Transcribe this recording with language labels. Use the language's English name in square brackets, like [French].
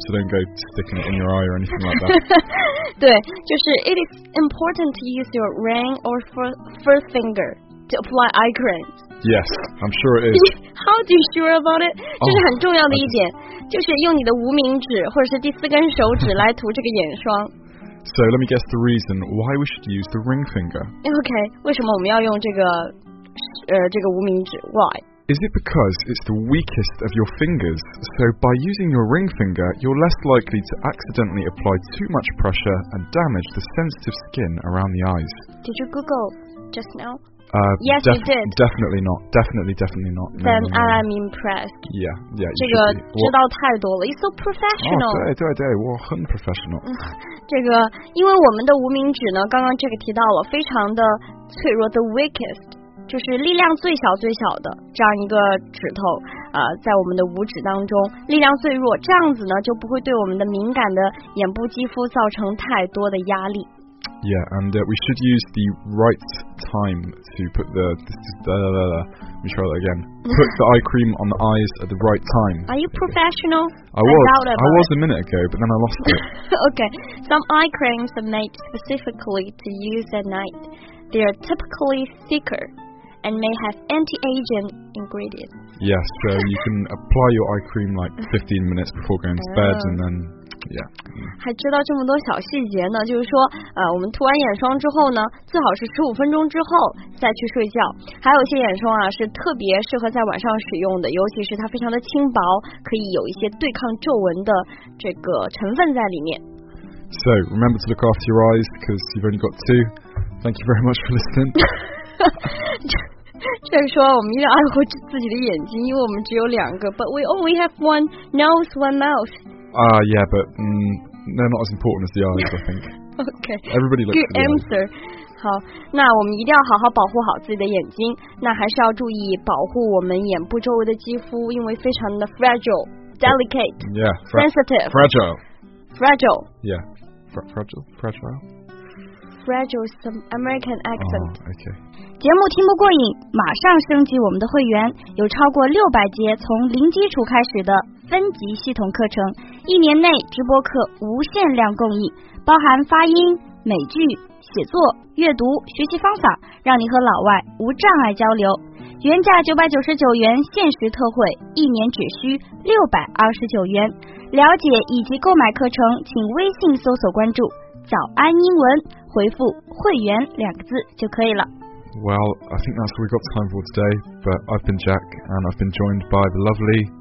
[English] So don't go sticking it in your eye or anything like that. [Chinese] 对，就是 [English] it is important to use your ring or first finger to apply eye cream. Yes, I'm sure it is. How do you sure about it? [Chinese] 这是很重要的一点，就是用你的无名指或者是第四根手指来涂这个眼霜。 [English] So let me guess the reason why we should use the ring finger. Okay, [Chinese] 为什么我们要用这个这个无名指 ？ [English] Why? Is it because it's the weakest of your fingers? So by using your ring finger, you're less likely to accidentally apply too much pressure and damage the sensitive skin around the eyes. Did you Google just now? Yes, you did. Definitely not. Definitely not. Then I'm impressed. Yeah. [Chinese] 这个知道太多了。 [English] It's so professional. [Chinese] 对，我很 professional. 这个因为我们的无名指呢，刚刚这个提到了，非常的脆弱 ， [English] the weakest， [Chinese] 就是力量最小的这样一个指头。在我们的五指当中力量最弱，这样子呢就不会对我们的敏感的眼部肌肤造成太多的压力。 [English] Yeah, and we should use the right time to put the... Let me try that again. Put the eye cream on the eyes at the right time. Are you professional? I was a minute ago, but then I lost it. Okay, some eye creams are made specifically to use at night. They are typically thicker and may have anti-aging ingredients. Yes, so you can apply your eye cream like 15 minutes before going to bed and then... [Chinese] 还知道这么多小细节呢，就是说我们涂完眼霜之后呢，最好是15分钟之后再去睡觉。还有一些眼霜啊是特别适合在晚上使用的，尤其是它非常的轻薄，可以有一些对抗皱纹的这个成分在里面。 [English] So remember to look after your eyes because you've only got two. Thank you very much for listening. [Chinese] 这样说我们一定要爱护自己的眼睛，因为我们只有两个。 [English] But we only have one nose, one mouth Yeah, but they're not as important as the eyes, I think. Okay. Everybody looks good answer. [Chinese] 好，那我们一定要好好保护好自己的眼睛。那还是要注意保护我们眼部周围的肌肤，因为非常的 [English] fragile, delicate, sensitive, fragile, fragile. Yeah, fragile. Fragile is some American accent. Okay. [Chinese] 节目听不过瘾，马上升级我们的会员，有超过600节从零基础开始的分级系统课程，一年内直播课无限量供应，包含发音、美剧、写作、阅读、学习方法，让你和老外无障碍交流。原价999元，限时特惠，一年只需629元。了解以及购买课程，请微信搜索关注“早安英文”，回复“会员”两个字就可以了。 [English] Well, I think that's what we've got time for today. But I've been Jack, and I've been joined by the lovely...